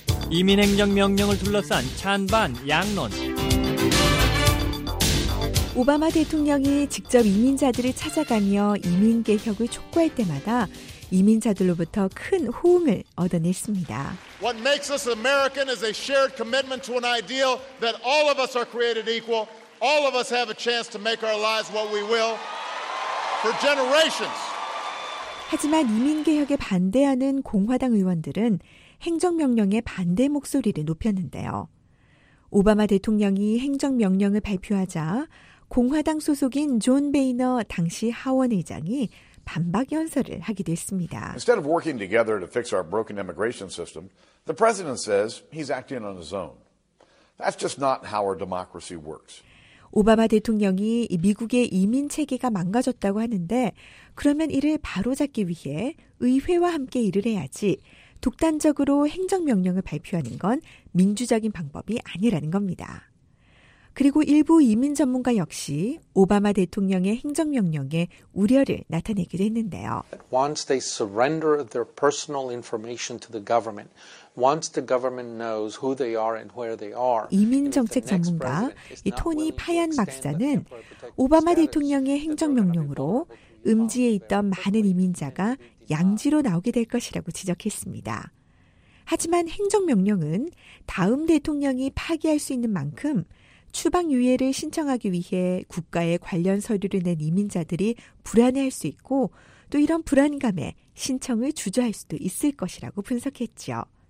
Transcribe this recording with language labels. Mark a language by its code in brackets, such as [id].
[ko] 이민행정명령을 둘러싼 찬반 양론. 오바마 대통령이 직접 이민자들을 찾아가며 이민개혁을 촉구할 때마다 이민자들로부터 큰 호응을 얻어냈습니다. [en] What makes us American is a shared commitment to an ideal that all of us are created equal. All of us have a chance to make our lives what we will for generations. [ko] 하지만 이민개혁에 반대하는 공화당 의원들은 행정명령에 반대 목소리를 높였는데요. 오바마 대통령이 행정명령을 발표하자 공화당 소속인 존 베이너 당시 하원 의장이 반박 연설을 하기도 했습니다. [en] Instead of working together to fix our broken immigration system, the president says he's acting on his own. That's just not how our democracy works. [ko] 오바마 대통령이 미국의 이민 체계가 망가졌다고 하는데 그러면 이를 바로잡기 위해 의회와 함께 일을 해야지 독단적으로 행정명령을 발표하는 건 민주적인 방법이 아니라는 겁니다. 그리고 일부 이민 전문가 역시 오바마 대통령의 행정명령에 우려를 나타내기도 했는데요. [en] Once they surrender their personal information to the government, once the government knows who they are and where they are. [ko] 이민 정책 전문가 이 토니 파얀 박사는 오바마 대통령의 행정명령으로 음지에 있던 많은 이민자가 양지로 나오게 될 것이라고 지적했습니다. 하지만 행정명령은 다음 대통령이 파기할 수 있는 만큼 추방유예를 신청하기 위해 국가에 관련 서류를 낸 이민자들이 불안해할 수 있고 또 이런 불안감에 신청을 주저할 수도 있을 것이라고 분석했죠.